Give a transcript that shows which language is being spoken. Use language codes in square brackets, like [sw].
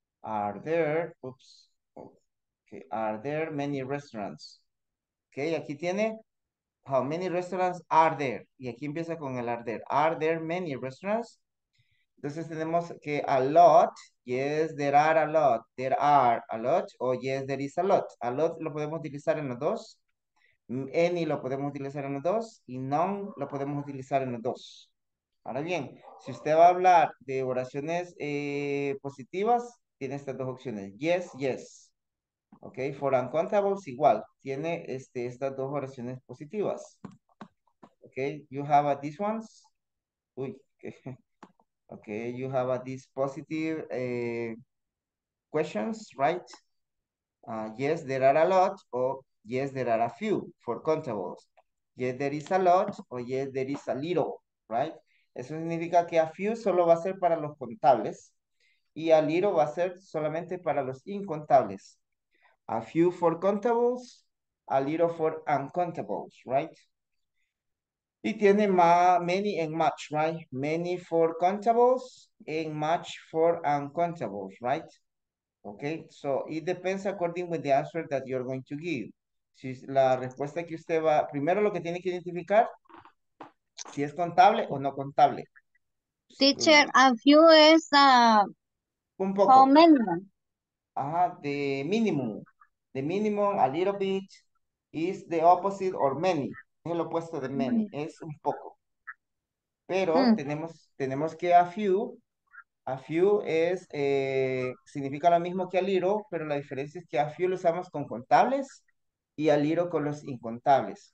[en] Are there, okay, are there many restaurants? Okay, [es] aquí tiene, [en] how many restaurants are there? [es] Y aquí empieza con el [en] are there. Are there many restaurants? [es] Entonces tenemos que [en] a lot, yes, there are a lot. There are a lot, o yes, there is a lot. [es] A lot lo podemos utilizar en los dos. Any lo podemos utilizar en los dos. Y none lo podemos utilizar en los dos. Ahora bien, si usted va a hablar de oraciones positivas, tiene estas dos opciones. [en] Yes, yes. Ok, for uncountables, igual. [es] Tiene estas dos oraciones positivas. [en] Ok, you have these ones. Uy, ok. You have these positive questions, right? Yes, there are a lot, or yes, there are a few for countables. Yes, there is a lot, or yes, there is a little, right? [es] Eso significa que a few solo va a ser para los contables y a little va a ser solamente para los incontables. [en] A few for countables, a little for uncountables, right? [es] Y tiene many and much, right? [en] Many for countables and much for uncountables, right? Okay, so it depends according with the answer that you're going to give. [es] Si la respuesta que usted va, primero lo que tiene que identificar, si es contable o no contable. [en] Teacher, a few is [es] un poco. [en] How many? Ajá, the minimum. The minimum, a little bit, is the opposite or many. [es] Es el opuesto de many, es un poco. Pero tenemos que a few es, significa lo mismo que a little, pero la diferencia es que a few lo usamos con contables y a little con los incontables.